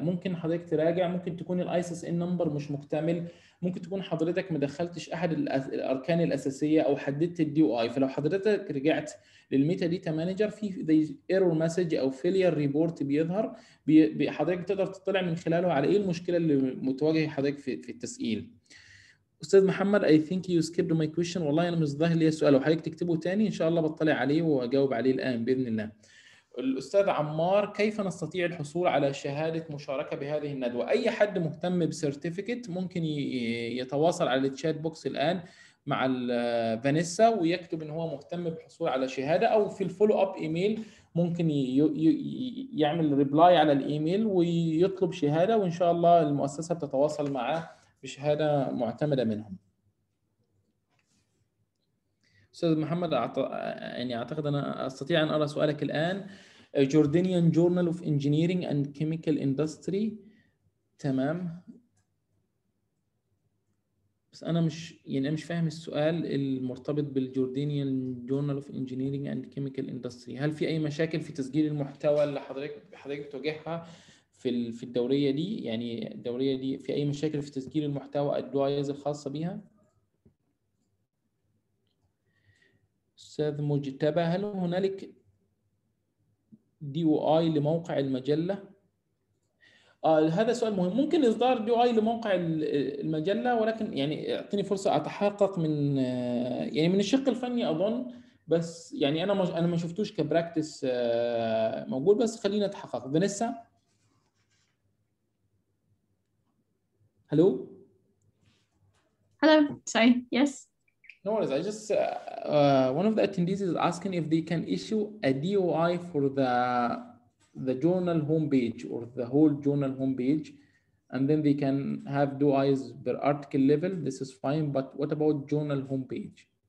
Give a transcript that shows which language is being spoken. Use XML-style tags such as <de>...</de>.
<ar>ممكن حضرتك تراجع، ممكن تكون الأيسس إن نمبر مش مكتمل، ممكن تكون حضرتك مدخلتش أحد الأركان الأساسية أو حددت الدي أو آي. فلو حضرتك رجعت للميتا ديتا مانجر في ذي إيرور مسج أو فيلير ريبورت بيظهر، حضرتك تقدر تطلع من خلاله على إيه المشكلة اللي متواجهة حضرتك في التسئيل.</ar> <en>أستاذ محمد، I think you skipped my question.</en> <ar>والله أنا مش ظاهر لي سؤال، وحضرتك تكتبه تاني إن شاء الله بطلع عليه وأجاوب عليه الآن بإذن الله. الأستاذ عمار، كيف نستطيع الحصول على شهادة مشاركة بهذه الندوة؟ أي حد مهتم بسيرتيفيكت ممكن يتواصل على التشات بوكس الآن مع فانيسا ويكتب إن هو مهتم بحصول على شهادة، أو في الفولو أب إيميل ممكن يعمل ريبلاي على الإيميل ويطلب شهادة، وإن شاء الله المؤسسة بتتواصل معه بشهادة معتمدة منهم. أستاذ محمد، يعني أعتقد أنا أستطيع أن أرى سؤالك الآن. Jordanian Journal of Engineering and Chemical Industry، تمام، بس أنا مش فاهم السؤال المرتبط بال Jordanian Journal of Engineering and Chemical Industry. هل في أي مشاكل في تسجيل المحتوى اللي حضرتك بتواجهها في الدورية دي؟ يعني الدورية دي في أي مشاكل في تسجيل المحتوى الدوائز الخاصة بها؟ أستاذ مجتبى، هل هنالك دي او اي لموقع المجلة؟ هذا سؤال مهم. ممكن إصدار دي او اي لموقع المجلة، ولكن يعني اعطيني فرصة أتحقق من يعني من الشق الفني أظن، بس يعني أنا ما شفتوش كبراكتس موجود، بس خلينا أتحقق.</ar> <en>Vanessa, Hello. Sorry. Yes. No worries. I just one of the attendees is asking if they can issue a DOI for the journal homepage or the whole journal homepage, and then they can have DOIs per article level. This is fine. But what about journal homepage?</en>